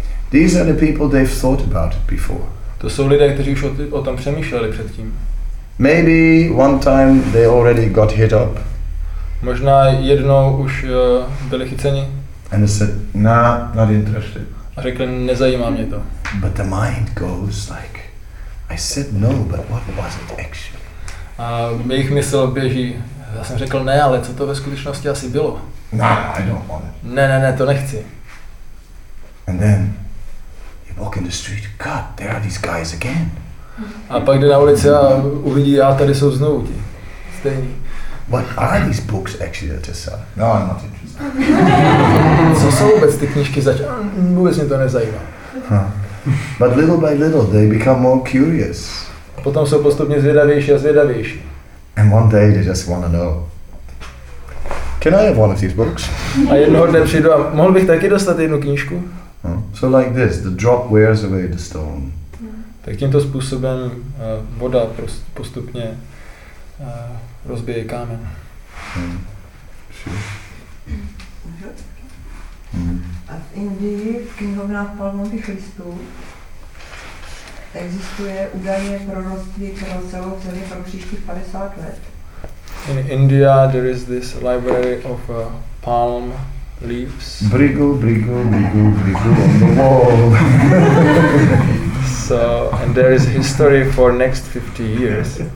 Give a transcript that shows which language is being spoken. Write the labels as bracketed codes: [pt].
[en] These are the people they've thought about it before. [cs] To jsou lidé, kteří už o tom přemýšleli předtím. [en] Maybe one time they already got hit up. [cs] Možná jednou už byli chyceni. [en] And they said, nah, not interested. [cs] A řekli, nezajímá mě to. [en] But the mind goes like, I said no, but what was it actually? [cs] A jejich mysl běží, já jsem řekl ne, ale co to ve skutečnosti asi bylo? [en] Nah, I don't want it. [cs] Ne, to nechci. [en] And then walk in the street. God, there are these guys again. [cs] A pak jde na ulici a uvidí, a tady jsou znovu ti. Stejní. [en] What are these books actually that are selling? No, I'm not interested. [cs] Co jsou vůbec ty knížky zač? Vůbec mě to nezajímá. [en] But little by little, they become more curious. [cs] A potom jsou postupně zvědavější a zvědavější. [en] And one day they just want to know. Can I have one of these books? [cs] A jednoho dne přijdu a mohl bych taky dostat jednu knížku? [en] So like this, the drop wears away the stone. [cs] Tak tímto způsobem voda postupně rozbije kámen. A v Indii v knihovnách palmových listů existuje údajně proroctví, které se celé pro příštích 50 let. [en] In India there is this library of palm leaves. Brigo on the wall. So, and there is history for next 50 years.